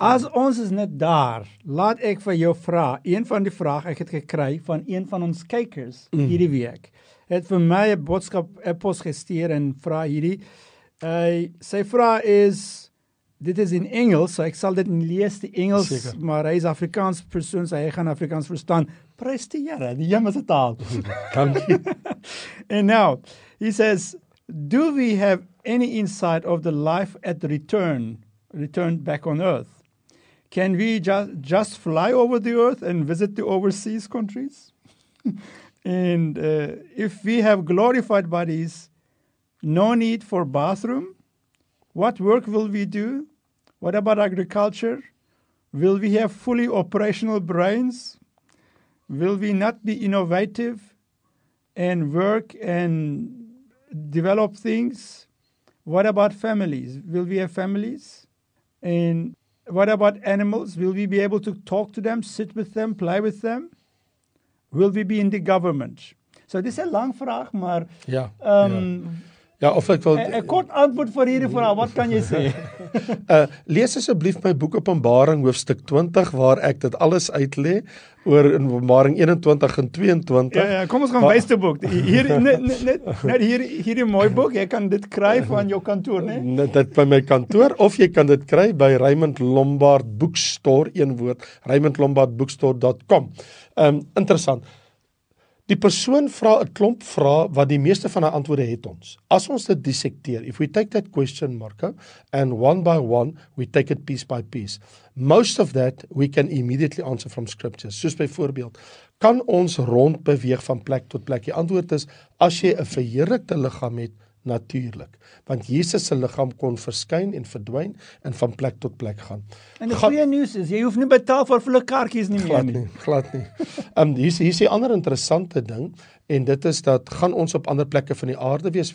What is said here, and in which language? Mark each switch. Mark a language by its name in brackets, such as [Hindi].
[Afrikaans] As ons is net daar, laat ek vir jou vra, een van die vraag ek het gekry van een van ons kykers hierdie week, het vir my een boodskap e-pos gesteer en vra hierdie. Sy vraag is, dit is in Engels, so ek sal dit nie lees die Engels, zeker, maar hy is Afrikaans persoon, so hy gaan Afrikaans verstaan. Prys die Here, die hemelse taal. Dankie. En nou, [English] he says, do we have any insight of the life at the return back on earth? Can we just fly over the earth and visit the overseas countries? And if we have glorified bodies, no need for bathroom, what work will we do? What about agriculture? Will we have fully operational brains? Will we not be innovative and work and develop things? What about families? Will we have families? And what about animals? Will we be able to talk to them, sit with them, play with them? Will we be in the government? [Afrikaans] So dis is 'n lang vraag, maar ja. Ja, of ek wil 'n kort antwoord vir hierdie vraag, wat kan jy sê? Lees asseblief my boek Openbaring hoofstuk 20 waar ek dit alles uitlê oor Openbaring 21 en 22. Ja, kom ons gaan wys die boek. Hier mooi boek, jy kan dit kry van jou kantoor, né? Nee? Dit by my kantoor of jy kan dit kry by Raymond Lombard Bookstore, een woord, raymondlombardbookstore.com. Interessant. Die persoon vra 'n klomp vrae wat die meeste van die antwoorde het ons. As ons dit dissekteer, [English] if we take that question, Marco, and one by one, we take it piece by piece. Most of that we can immediately answer from scriptures. [Afrikaans] Soos byvoorbeeld, kan ons rond beweeg van plek tot plek? Die antwoord is, as jy 'n verheerlikte liggaam het, natuurlik. Want Jesus se liggaam kon verskyn en verdwyn en van plek tot plek gaan. En die goeie nuus is, jy hoef nie betaal vir volle kaartjies nie meer nie. Glad nie. Hier is die ander interessante ding, en dit is dat, gaan ons op ander plekke van die aarde wees?